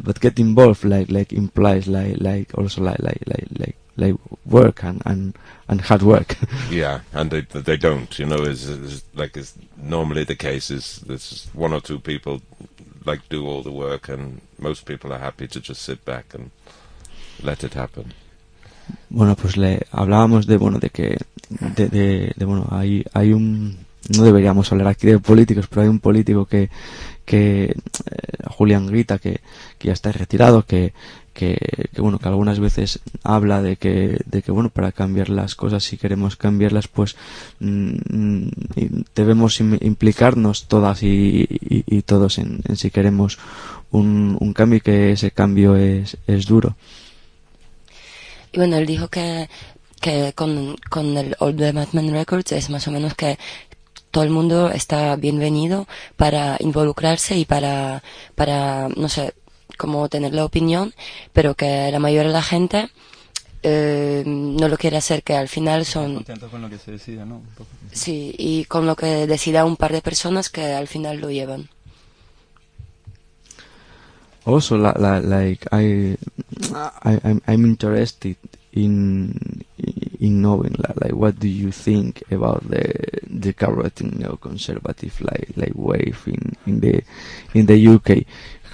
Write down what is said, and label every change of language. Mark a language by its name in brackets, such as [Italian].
[English] but get involved like implies like also like work and hard work. Yeah, and they don't, you know, is normally the case is there's one or two people like do all the work, and most people are happy to just sit back and let it happen. [Spanish] Bueno, pues le hablábamos de que hay un, no deberíamos hablar aquí de políticos, pero hay un político que Julián Grita que ya está retirado, que bueno, que algunas veces habla de que bueno, para cambiar las cosas, si queremos cambiarlas, pues debemos implicarnos todas y todos en si queremos un cambio, y que ese cambio es duro. Y bueno, él dijo que con el All the Mad Men Records es más o menos que todo el mundo está bienvenido para involucrarse y para no sé, como tener la opinión, pero que la mayoría de la gente no lo quiere hacer, que al final son contentos con lo que se decida, ¿no? Sí, y con lo que decida un par de personas que al final lo llevan. [English] Also, like I'm interested in knowing like what do you think about the current neoconservative like wave in the UK?